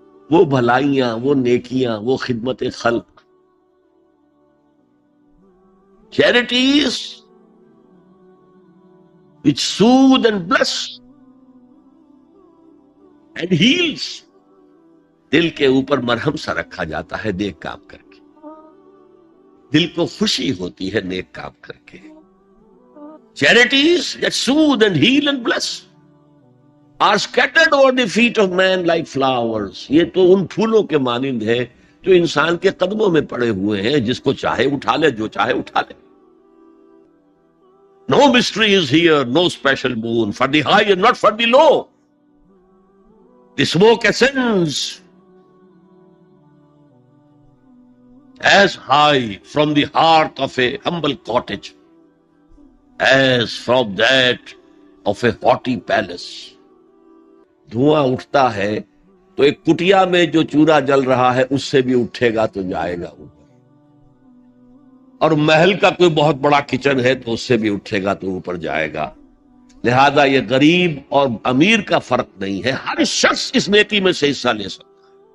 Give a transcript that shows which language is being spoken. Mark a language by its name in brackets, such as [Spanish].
[Urdu] وہ بھلائیاں، وہ نیکیاں، وہ خدمت خلق، charities [English] which soothe and bless and heals, [Urdu] دل کے اوپر مرہم سا رکھا جاتا ہے نیک کام کر کے، دل کو خوشی ہوتی ہے نیک کام کر کے. [English] Charities that soothe and heal and bless are scattered over the feet of man like flowers. [Urdu] یہ تو ان پھولوں کے مانند ہے جو انسان کے قدموں میں پڑے ہوئے ہیں، جس کو چاہے اٹھا لے، جو چاہے اٹھا لے. [English] No mystery is here, no special boon for the high and not for the low. The smoke ascends as high from the heart of a humble cottage as from that of a haughty palace. [Urdu] دھواں اٹھتا ہے تو ایک کٹیا میں جو چورا جل رہا ہے اس سے بھی اٹھے گا تو جائے گا اوپر، اور محل کا کوئی بہت بڑا کچن ہے تو اس سے بھی اٹھے گا تو اوپر جائے گا. لہذا یہ غریب اور امیر کا فرق نہیں ہے، ہر شخص اس نیکی میں سے حصہ لے سکتا.